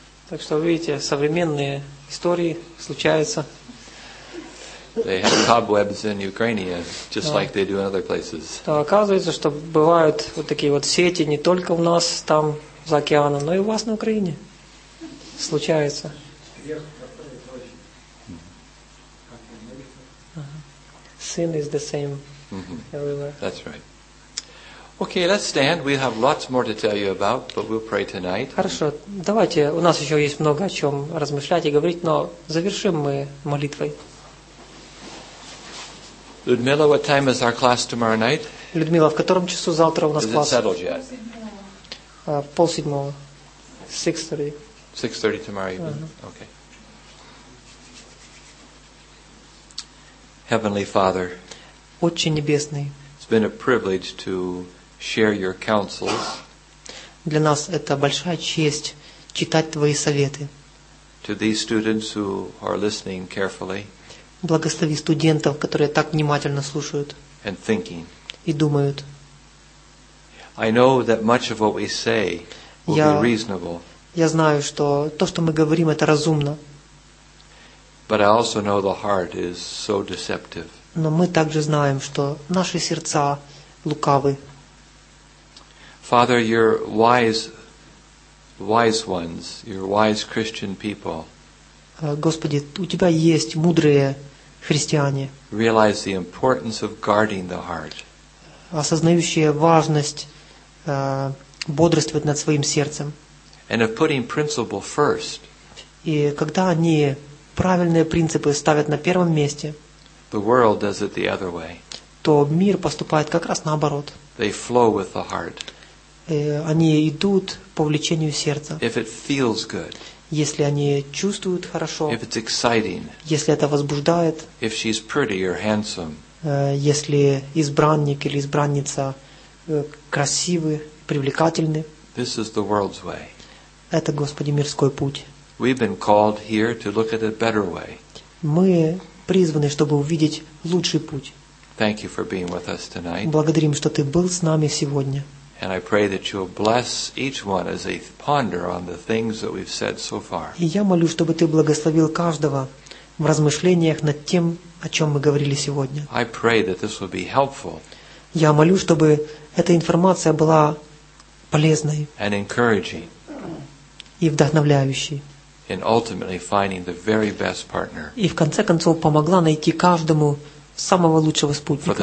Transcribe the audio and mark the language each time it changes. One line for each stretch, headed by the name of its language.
Russian: Так что вы видите, современные истории случаются.
English: They have cobwebs in Ukraine, just like they do in other places.
Russian: Да, оказывается, что бывают вот такие вот сети не только у нас там за океаном, но и у вас на Украине случается.
English: Sin is the same everywhere. That's right. Okay, let's stand. We have lots more to tell you about, but we'll pray tonight.
Russian: Хорошо, давайте. У нас еще есть много о чем размышлять и говорить, но завершим мы молитвой.
English: Людмила, what time is our class tomorrow night?
Russian: Людмила, в котором часу завтра у нас класс?
English: Is it settled yet?
Russian: Пол седьмого. 6:30.
English: 6:30 tomorrow evening. Uh-huh. Okay. Heavenly Father.
Russian: Отче небесный.
English: It's been a privilege to share your counsels.
Russian: Для нас это большая честь читать твои советы.
English: To these students who are listening carefully.
Russian: Благослови студентов, которые так внимательно слушают
English: and thinking.
Russian: И думают.
English: I know that much of what we say will be reasonable.
Russian: Я знаю, что то, что мы говорим, это разумно.
English: But I also know the heart is so deceptive.
Russian: Но мы также знаем, что наши сердца лукавы.
English: Father, your wise ones, your wise Christian people.
Russian: Господи, у тебя есть мудрые христиане.
English: Realize the importance of guarding the heart.
Russian: Осознающие важность бодрствовать над своим сердцем.
English: And of putting principle first.
Russian: И когда они правильные принципы ставят на первом месте.
English: The world does it the other way.
Russian: То мир поступает как раз наоборот.
English: They flow with the heart.
Russian: Они идут по влечению сердца.
English: If it feels good.
Russian: Если они чувствуют хорошо.
English: If it's exciting.
Russian: Если это возбуждает.
English: If she's pretty or handsome.
Russian: Если избранник или избранница красивы, привлекательны.
English: This is the world's way.
Russian: Это, Господи, мирской путь.
English: We've been called here to look at a better way.
Russian: Мы призваны, чтобы увидеть лучший путь.
English: Thank you for being with us tonight.
Russian: Благодарим, что ты был с нами сегодня.
English: And I pray that you'll bless each one as they ponder on the things that we've said so far.
Russian: И я молю, чтобы ты благословил каждого в размышлениях над тем, о чем мы говорили сегодня.
English: I pray that this will be helpful.
Russian: Я молю, чтобы эта информация была полезной.
English: And encouraging.
Russian: И вдохновляющей.
English: In ultimately finding the very best partner.
Russian: И в конце концов помогла найти каждому самого лучшего спутника.